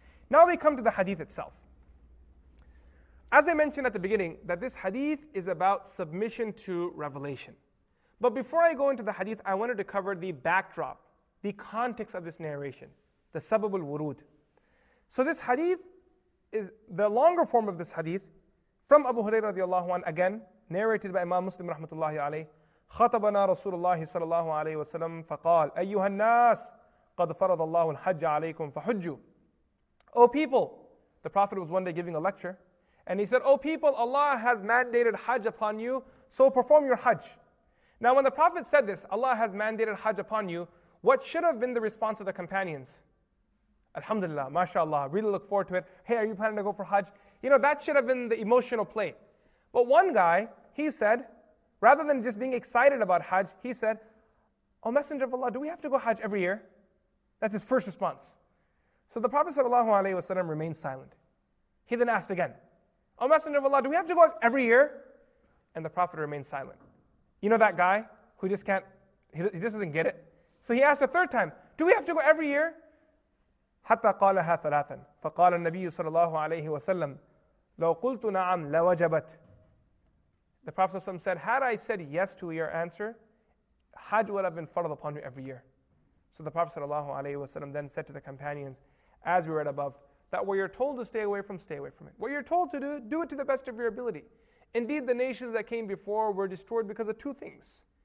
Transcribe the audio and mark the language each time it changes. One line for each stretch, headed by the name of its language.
English: Now we come to the hadith itself. As I mentioned at the beginning, that this hadith is about submission to revelation. But before I go into the hadith, I wanted to cover the backdrop, the context of this narration, the sabab al-wurud. So this hadith is the longer form of this hadith from Abu Hurairah radiallahu anhu, again narrated by Imam Muslim rahmatullahi alayh.
Arabic: خطبنا رسول الله صلى الله عليه وسلم فقال أيها الناس قد فرض الله الحج عليكم فحجوا.
English: O people, the Prophet was one day giving a lecture, and he said, O people, Allah has mandated Hajj upon you, so perform your Hajj. Now when the Prophet said this, Allah has mandated Hajj upon you, what should have been the response of the companions? Alhamdulillah, mashallah, really look forward to it. Hey, are you planning to go for Hajj? You know, that should have been the emotional play. But one guy, he said, rather than just being excited about Hajj, he said, O Messenger of Allah, do we have to go Hajj every year? That's his first response. So the Prophet sallallahu alaihi wasallam remained silent. He then asked again, O Messenger of Allah, do we have to go every year? And the Prophet remained silent. You know that guy who just can't, he just doesn't get it? So he asked a third time, do we have to go every year?
Arabic: حتى قالها ثلاثا فقال النبي صلى الله عليه وسلم لو قلت نعم لوجبت.
English: The Prophet ﷺ said, had I said yes to your answer, Hajj would have been fard upon you every year. So the Prophet ﷺ then said to the companions, as we read above, that what you're told to stay away from, stay away from it. What you're told to do, do it to the best of your ability. Indeed, the nations that came before were destroyed because of two things.